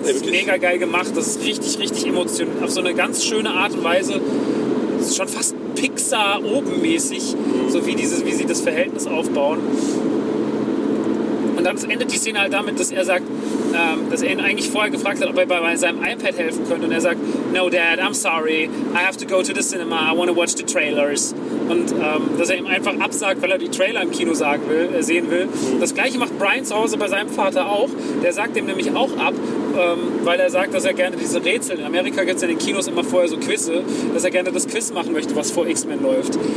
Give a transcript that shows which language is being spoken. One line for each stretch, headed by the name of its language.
German: Das ist mega geil gemacht, das ist richtig, richtig emotional. Auf so eine ganz schöne Art und Weise, das ist schon fast Pixar obenmäßig, so wie, dieses, wie sie das Verhältnis aufbauen. Und dann endet die Szene halt damit, dass er sagt, dass er ihn eigentlich vorher gefragt hat, ob er bei seinem iPad helfen könnte. Und er sagt,
English: no dad, I'm sorry, I have to go to the cinema, I want to watch the trailers.
German: Und dass er ihm einfach absagt, weil er die Trailer im Kino sehen will. Das gleiche macht Brian zu Hause bei seinem Vater auch. Der sagt ihm nämlich auch ab, weil er sagt, dass er gerne diese Rätsel, in Amerika gibt es in den Kinos immer vorher so Quizze, dass er gerne das Quiz machen möchte, was vor X-Men läuft.